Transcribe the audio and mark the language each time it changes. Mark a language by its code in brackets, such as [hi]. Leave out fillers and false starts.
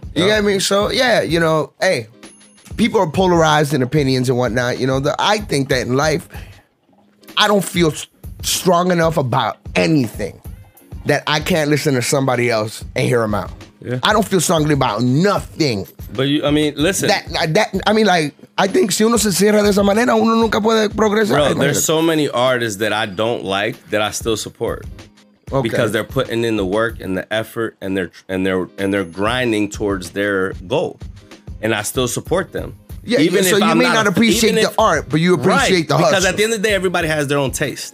[en] You get me? So, yeah, you know, hey. People are polarized in opinions and whatnot. You know, I think that in life, I don't feel strong enough about anything that I can't listen to somebody else and hear them out. Yeah. I don't feel strongly about nothing. But, you, I mean, listen. I think [es] si uno se cierra de esa manera, uno nunca puede progresar. [en] Bro, there's so many artists that I don't like that I still support. Okay. Because they're putting in the work and the effort and they're grinding towards their goal. And I still support them. Yeah, even so if you I'm may not appreciate if, the art, but you appreciate right, the hustle. Because at the end of the day, everybody has their own taste.